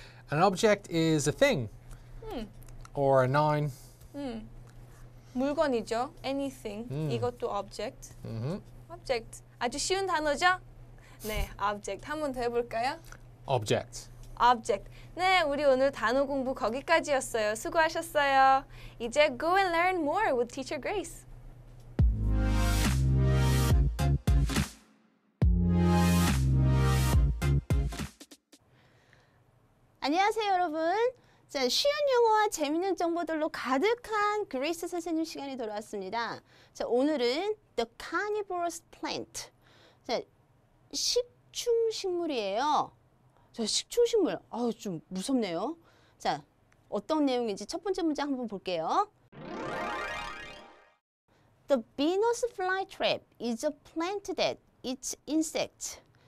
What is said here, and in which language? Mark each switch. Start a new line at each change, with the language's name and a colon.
English: An object is a thing. Or a noun.
Korean: 물건이죠. Anything. 이것도 object. Object. 아주 쉬운 단어죠? 네, object. 한 번 더 해볼까요?
English: Object. Object.
Korean: 네, 우리 오늘 단어 공부 거기까지였어요. 수고하셨어요.
English: 이제 go and learn more with Teacher Grace.
Korean: (목소리) 여러분. 자, 쉬운 용어와 재미있는 정보들로 가득한 그레이스 선생님 시간이 돌아왔습니다. 자, 오늘은 The Carnivorous Plant. 자, 식충식물이에요. 자, 식충식물. 아우, 좀 무섭네요. 자, 어떤 내용인지 첫 번째 문장 한번 볼게요.
English: The Venus flytrap is a plant that eats insects.